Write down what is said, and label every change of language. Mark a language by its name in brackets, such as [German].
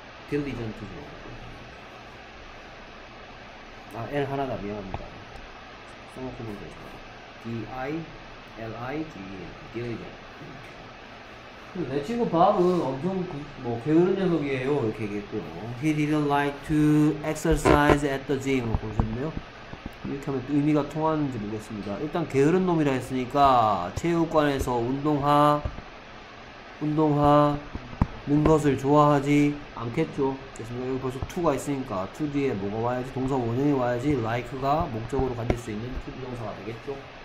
[Korean] 딜리전트죠. 아, L 하나가 미안합니다. 써놓고 보면 되죠. D-I-L-I-G-E-N 딜리전트. 내 친구 밥은 엄청 뭐 게으른 녀석이에요. 이렇게 얘기했고요. [English] He didn't like to exercise at the gym. [Korean] 보셨나요? 이렇게 하면 또 의미가 통하는지 모르겠습니다. 일단 게으른 놈이라 했으니까 체육관에서 운동하는 것을 좋아하지 않겠죠. 됐습니다. 여기 벌써 to가 있으니까 to 뒤에 뭐가 와야지, 동사 원형이 와야지 like가 목적으로 가질 수 있는 to 동사가 되겠죠.